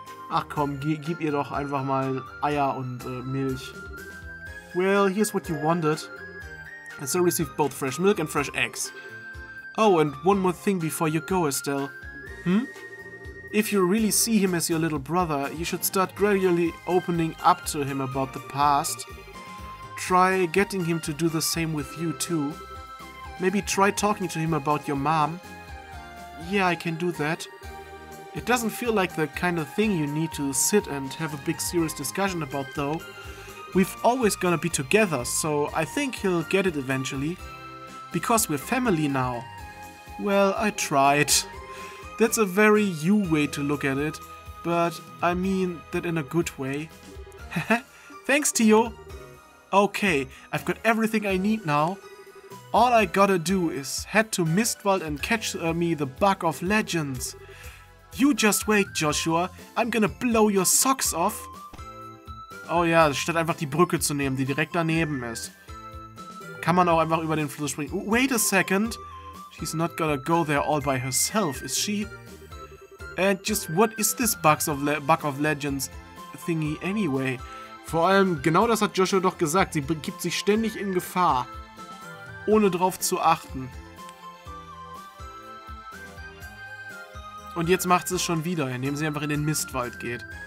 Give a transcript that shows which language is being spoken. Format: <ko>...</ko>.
<de>Ach komm, gib ihr doch einfach mal Eier und Milch.</de> <en>Well, here's what you wanted. I still received both fresh milk and fresh eggs. Oh, and one more thing before you go, Estelle. Hm? If you really see him as your little brother, you should start gradually opening up to him about the past. Try getting him to do the same with you, too. Maybe try talking to him about your mom. Yeah, I can do that. It doesn't feel like the kind of thing you need to sit and have a big serious discussion about, though. We've always gonna be together, so I think he'll get it eventually. Because we're family now. Well, I tried. That's a very you way to look at it, but I mean that in a good way. Thanks, Tio! Okay, I've got everything I need now. All I gotta do is head to Mistwald and catch me the Bug of Legends. You just wait, Joshua. I'm gonna blow your socks off.</en> <de>Oh ja, statt einfach die Brücke zu nehmen, die direkt daneben ist. Kann man auch einfach über den Fluss springen.</de> <en>Wait a second. She's not gonna go there all by herself, is she? And just what is this Bug of Legends thingy anyway?</en> <de>Vor allem, genau das hat Joshua doch gesagt. Sie begibt sich ständig in Gefahr. Ohne drauf zu achten. Und jetzt macht sie es schon wieder, indem sie einfach in den Mistwald geht.</de>